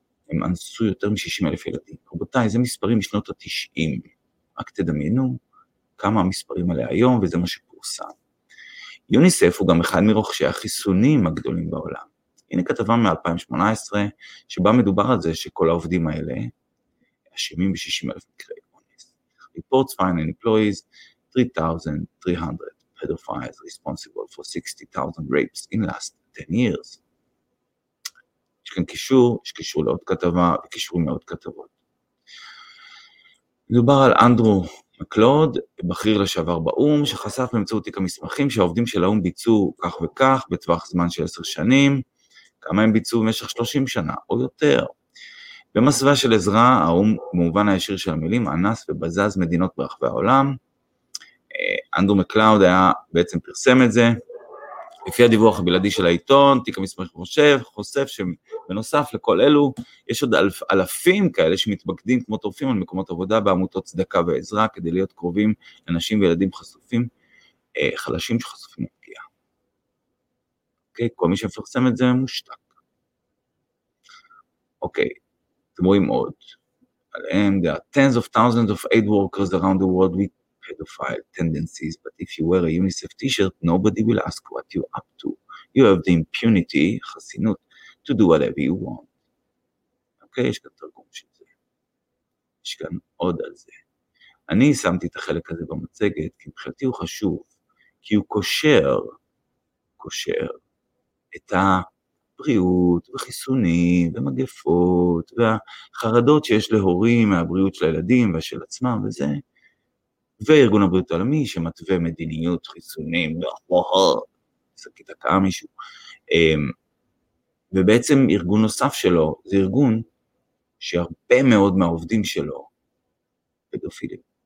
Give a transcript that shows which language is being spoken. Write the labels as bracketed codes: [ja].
[he] הם אנסו יותר מ-60,000 ילדים. רבותיי, זה מספרים משנות ה-90. רק תדמיינו, כמה המספרים עליה היום, וזה מה שפורסם. יוניסף הוא גם אחד מרוכשי החיסונים הגדולים בעולם. הנה כתבה מ-2018, שבה מדובר על זה שכל העובדים האלה, אשמים ב-60,000 מקרי אונס. [en] Reports find an employees 3,300 pedophiles responsible for 60,000 rapes in last 10 years. [he] יש כאן קישור, יש קישור לעוד כתבה, וקישור מעוד כתבות. מדובר על אנדרו מקלוד, בכיר לשעבר באום, שחשף באמצעות תיק המסמכים שהעובדים של האום ביצעו כך וכך, בטווח זמן של 10 שנים, כמה הם ביצעו במשך 30 שנה או יותר. במסווה של עזרה, האום, במובן הישיר של המילים, אנס ובזז מדינות ברחבי העולם. אנדרו מקלוד היה בעצם פרסם את זה. לפי הדיווח הבלעדי של העיתון, תיק המסמכים חושף שבנוסף לכל אלו, יש עוד אלפים כאלה שמתבקדים כמו טורפים על מקומות עבודה בעמותות צדקה ועזרה, כדי להיות קרובים לנשים וילדים חשופים, חלשים שחשופים לפגיעה. אוקיי, כל מי שמפרסם את זה מושתק. אוקיי, אתם רואים עוד. עליהם, [en] there are tens of thousands of aid workers around the world with pedophile tendencies, but if you wear a UNICEF t-shirt, nobody will ask what you're up to. You have the impunity, [he] חסינות, [en] to do whatever you want. [he] אוקיי, יש כאן תרגום של זה. יש כאן עוד על זה. אני שמתי את החלק הזה במצגת, כי מבחינתי הוא חשוב, כי הוא קושר את הבריאות וחיסונים ומגפות והחרדות שיש להורים מהבריאות של הילדים ושל עצמם וזה, וארגון הבריאות העולמי שמתווה מדיניות חיסונים, סקית הקעה מישהו, ובעצם ארגון נוסף שלו, זה ארגון שהרבה מאוד מהעובדים שלו פדופילים.